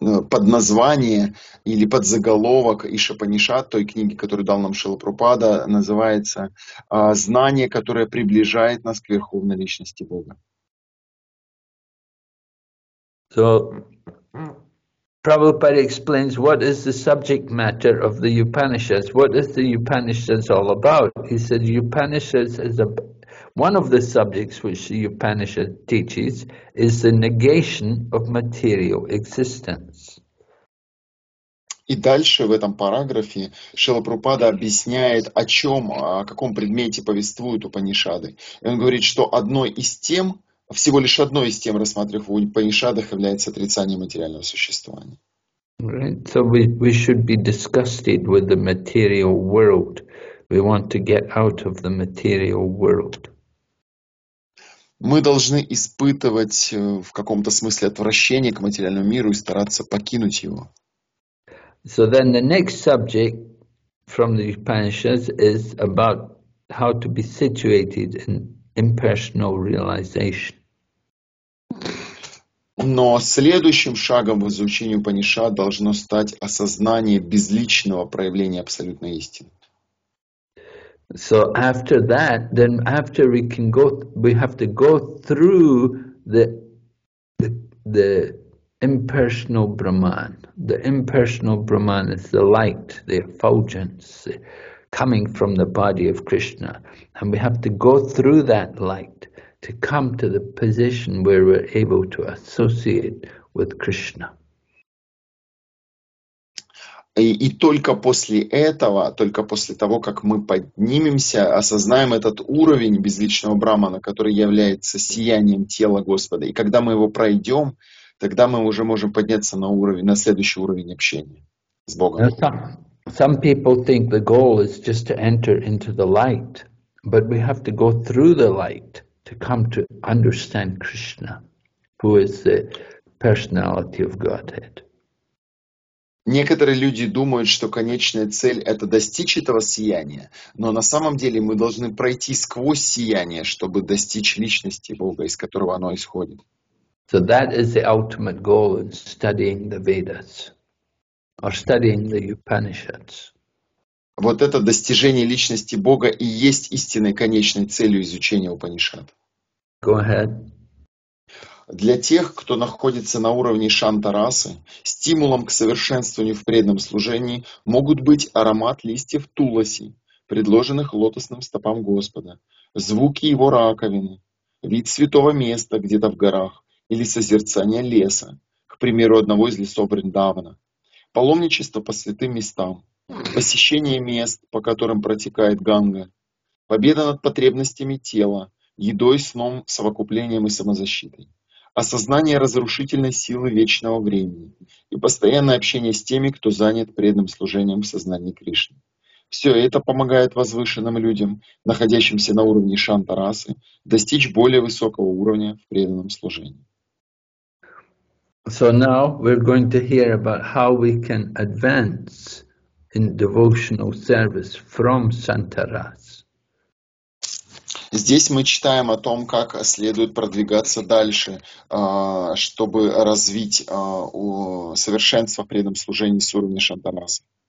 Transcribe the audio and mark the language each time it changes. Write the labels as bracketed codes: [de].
[ru] Под название или под заголовок Ишапанишад, той книги, которую дал нам Шрила Прабхупада, называется «Знание, которое приближает нас к Верховной Личности Бога». [en] So, Prabhupada explains what is the subject matter of the Upanishads. What is the Upanishads all about? He said Upanishads is a one of the subjects which the Upanishad teaches is the negation of material existence. [ru] И дальше в этом параграфе Шрила Прабхупада объясняет, о чем, о каком предмете повествуют Упанишады. И он говорит, что одной из тем, всего лишь одной из тем, рассматриваемых в Упанишадах, является отрицание материального существования. [en] Right. So we should be disgusted with the material world. We want to get out of the material world. [ru] Мы должны испытывать в каком-то смысле отвращение к материальному миру и стараться покинуть его. [en] So then the next subject from the Upanishads is about how to be situated in impersonal realization. [ru] Но следующим шагом в изучении Упанишад должно стать осознание безличного проявления абсолютной истины. [en] So after that, then after we can go, we have to go through the impersonal Brahman. The impersonal Brahman is the light, the effulgence coming from the body of Krishna. And we have to go through that light to come to the position where we're able to associate with Krishna. [ru] И только после этого, только после того, как мы поднимемся, осознаем этот уровень безличного брамана, который является сиянием тела Господа, и когда мы его пройдем, тогда мы уже можем подняться на уровень, на следующий уровень общения с Богом. [en] Some people think the goal is just to enter into the light, but we have to go through the light to come to understand Krishna, who is the personality of Godhead. [ru] Некоторые люди думают, что конечная цель — это достичь этого сияния, но на самом деле мы должны пройти сквозь сияние, чтобы достичь личности Бога, из которого оно исходит. [en] So that is the ultimate goal in studying the Vedas or studying the Upanishads. [ru] Вот это достижение личности Бога и есть истинной конечной целью изучения Упанишад. [en] Go ahead. [ru] Для тех, кто находится на уровне шанта-расы, стимулом к совершенствованию в преданном служении могут быть аромат листьев туласи, предложенных лотосным стопам Господа, звуки его раковины, вид святого места где-то в горах или созерцание леса, к примеру, одного из лесов Вриндавана, паломничество по святым местам, посещение мест, по которым протекает Ганга, победа над потребностями тела, едой, сном, совокуплением и самозащитой, осознание разрушительной силы вечного времени и постоянное общение с теми, кто занят преданным служением в сознании Кришны. Все это помогает возвышенным людям, находящимся на уровне шанта-расы, достичь более высокого уровня в преданном служении. [en] So now we're going to hear about how we can advance in devotional service from Santaras. [ru] Здесь мы читаем о том, как следует продвигаться дальше, чтобы развить совершенство в преданном служении с уровня Шантараса.